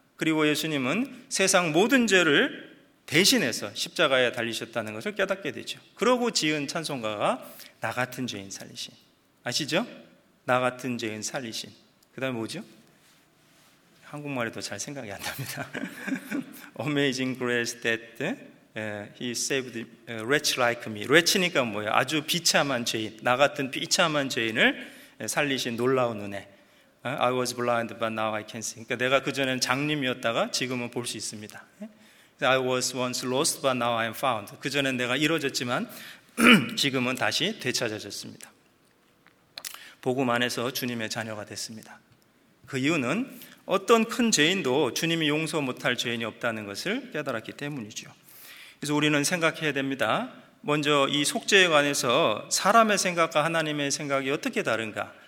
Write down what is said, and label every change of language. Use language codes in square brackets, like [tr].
[ko] 그리고 예수님은 세상 모든 죄를 대신해서 십자가에 달리셨다는 것을 깨닫게 되죠. 그러고 지은 찬송가가 나 같은 죄인 살리신. 아시죠? 나 같은 죄인 살리신. 그 다음에 뭐죠? 한국말에도 잘 생각이 안 납니다. [en] Amazing grace that he saved a wretch like me. [ko] Wretch니까 뭐예요? 아주 비참한 죄인. 나 같은 비참한 죄인을 살리신 놀라운 은혜. [en] I was blind but now I can see. [ko] 그러니까 내가 그전에는 장님이었다가 지금은 볼 수 있습니다. [en] I was once lost but now I am found. [ko] 그전에는 내가 잃어졌지만 지금은 다시 되찾아졌습니다. 복음 안에서 주님의 자녀가 됐습니다. 그 이유는 어떤 큰 죄인도 주님이 용서 못할 죄인이 없다는 것을 깨달았기 때문이죠. 그래서 우리는 생각해야 됩니다. 먼저 이 속죄에 관해서 사람의 생각과 하나님의 생각이 어떻게 다른가.